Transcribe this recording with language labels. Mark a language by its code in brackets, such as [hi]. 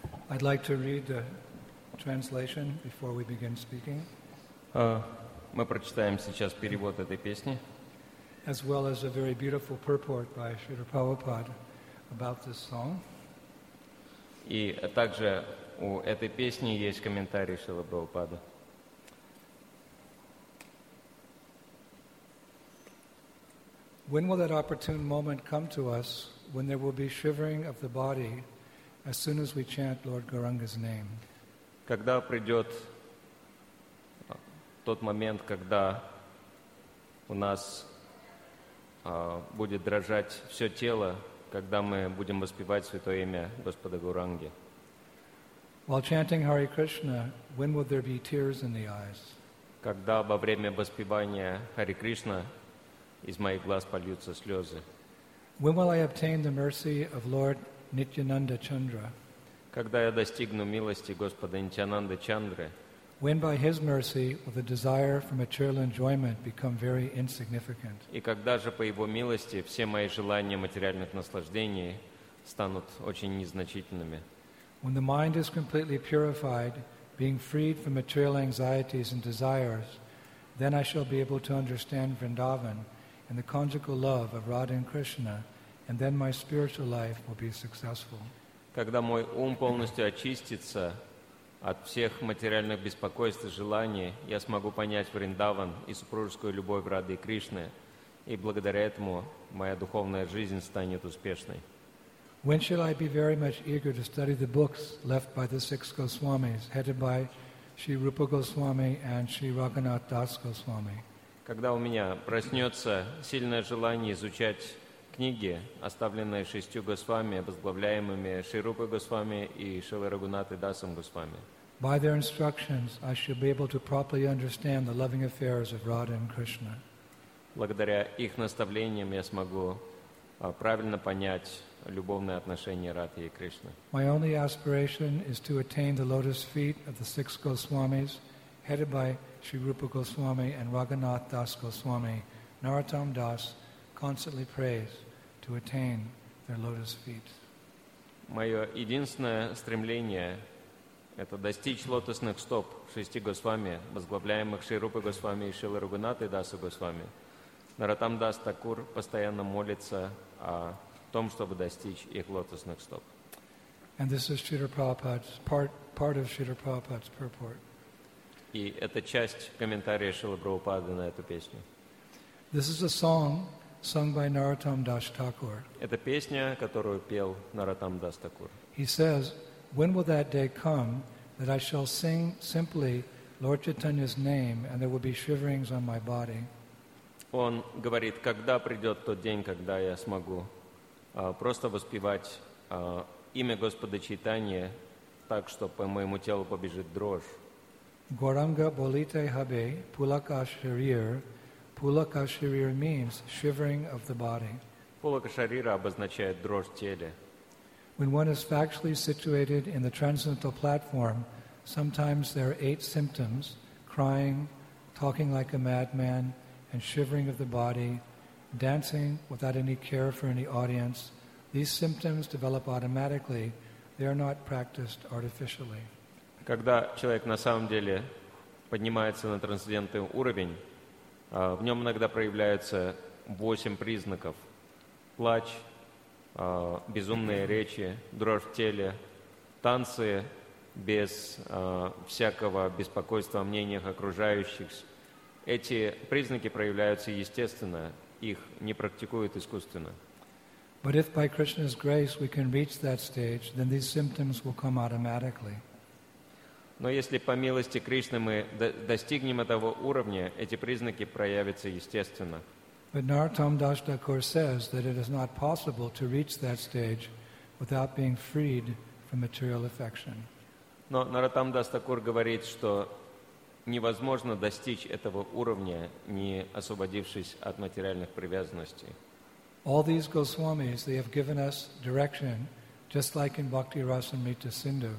[en] I'd like to read the translation before we begin speaking. [ru] Мы прочитаем сейчас перевод этой песни. [en] As well as a very beautiful purport by Srila Prabhupada about this song. [ru] И также у этой песни есть комментарий Шрилы Прабхупады. [en] When will that opportune moment come to us when there will be shivering of the body as soon as we chant Lord Gauranga's name? [ru] Когда придет тот момент, когда у нас будет дрожать все тело, когда мы будем воспевать святое имя Господа Гуранги? [en] While chanting Hare Krishna, when will there be tears in the eyes? [ru] Когда во время воспевания Hare Krishna из моих глаз польются слезы? [en] When will I obtain the mercy of Lord Nityananda Chandra? [ru] Когда я достигну милости Господа Нитьянанды Чандры? [en] When by his mercy will the desire for material enjoyment become very insignificant? [ru] И когда же по его милости все мои желания материальных наслаждений станут очень незначительными? [en] When the mind is completely purified, being freed from material anxieties and desires, then I shall be able to understand Vrindavan and the conjugal love of Radha and Krishna, and then my spiritual life will be successful. [ru] Когда мой ум полностью очистится от всех материальных беспокойств и желаний, я смогу понять Вриндаван и супружескую любовь Рады и Кришны, и благодаря этому моя духовная жизнь станет успешной. [en] When shall I be very much eager to study the books left by the six Goswamis, headed by Sri Rupa Goswami and Sri Raghunath Das Goswami? [ru] Когда у меня проснется сильное желание изучать книги, оставленные шестью Госвами, возглавляемыми Шри Рупой Госвами и Шрилой Рагхунатой Дасом Госвами. [en] By their instructions, I shall be able to properly understand the loving affairs of Radha and Krishna. [ru] Благодаря их наставлениям я смогу правильно понять любовные отношения Радхи и Кришны. [en] My only aspiration is to attain the lotus feet of the six Goswamis, headed by Sri Rupa Goswami and Raghunath Das Goswami, Narottam Das, constantly prays to attain their lotus feet. [ru] Мое единственное стремление – это достичь лотосных стоп шести Госвами, возглавляемых Шри Рупой Госвами и Шрилой Рагхунатой Дасом Госвами. Narottam Das Thakur постоянно молится о том, чтобы достичь их лотосных стоп. [en] And this is Srila Prabhupada's part of Srila Prabhupada's purport. [ru] И это часть комментария Шрилы Прабхупады на эту песню. [en] This is a song sung by Narottam Das Thakur. [ru] Это песня, которую пел Narottam Das Thakur. [en] He says, "When will that day come that I shall sing simply Lord Chaitanya's name and there will be shiverings on my body?" [ru] Он говорит, когда придет тот день, когда я смогу просто воспевать имя Господа Чайтаньи так, что по моему телу побежит дрожь. [bn] Goranga bolite habe pulaka sharir. [en] Pulaka sharir means shivering of the body. [ru] Pulaka sharira обозначает дрожь в теле. [en] When one is factually situated in the transcendental platform, sometimes there are eight symptoms: crying, talking like a madman, and shivering of the body, dancing without any care for any audience. These symptoms develop automatically. They are not practiced artificially. [ru] Когда человек на самом деле поднимается на трансцендентный уровень, в нем иногда проявляются восемь признаков: плач, безумные речи, дрожь в теле, танцы без всякого беспокойства о мнениях окружающих. Эти признаки проявляются естественно, их не практикуют искусственно. [en] But if by Krishna's grace we can reach that stage, then these symptoms will come automatically. [ru] Но если по милости Кришны мы достигнем этого уровня, эти признаки проявятся естественно. [en] But Narottam Das Thakur says that it is not possible to reach that stage without being freed from material affection. [ru] Но Narottam Das Thakur говорит, что невозможно достичь этого уровня, не освободившись от материальных привязанностей. [en] All these Goswamis, they have given us direction, just like in Bhakti Rasamrita Sindhu.